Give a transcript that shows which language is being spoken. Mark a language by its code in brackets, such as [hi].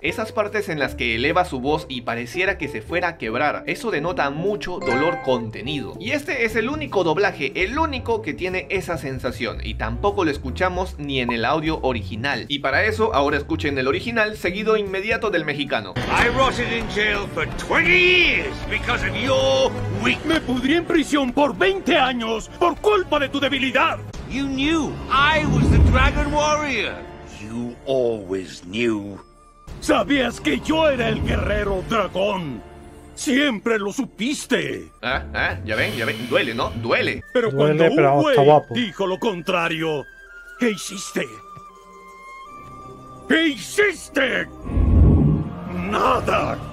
[es] Esas partes en las que eleva su voz y pareciera que se fuera a quebrar. Eso denota mucho dolor contenido. Y este es el único doblaje, el único que tiene esa sensación. Y tampoco lo escuchamos ni en el audio original. Y para eso, ahora escuchen el original, seguido inmediato del mexicano. [en] I rotted in jail for 20 years because of your weakness. [es] Me pudrí en prisión por 20 años por culpa de tu debilidad. [en] You knew I was the Dragon Warrior. You always knew. [es] ¿Sabías que yo era el guerrero dragón? Siempre lo supiste. Ya ven, duele, ¿no? Duele. Pero duele, cuando un güey dijo lo contrario, ¿qué hiciste? ¿Qué hiciste? Nada.